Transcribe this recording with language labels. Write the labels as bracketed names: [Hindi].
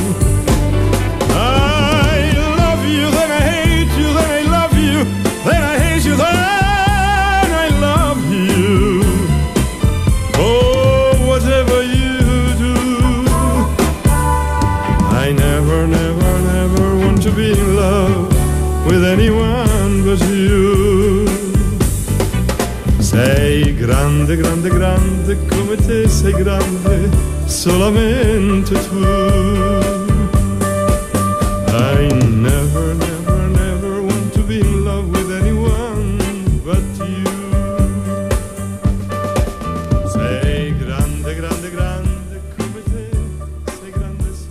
[English] I love you, then I hate you, then I love you, then I hate you, then I love you. Oh, whatever you do, I never, never, never want to be in love with anyone but you. [Italian] Sei grande, grande, grande come te, sei grande solamente tu. [English] I never, never, never want to be in love with anyone but you. [Italian] Sei grande, grande, grande come te, sei grande